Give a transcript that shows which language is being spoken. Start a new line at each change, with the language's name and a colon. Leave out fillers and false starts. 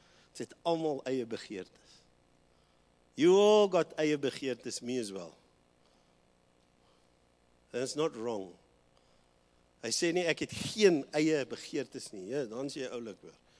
Afrikaans: Dit het almal eie begeertes.
English: You all got
Afrikaans: eie begeertes,
English: me as well. And it's not wrong.
Afrikaans: Hy sê nie, ek het geen eie begeertes nie. Ja, dan sê jy oulik weer.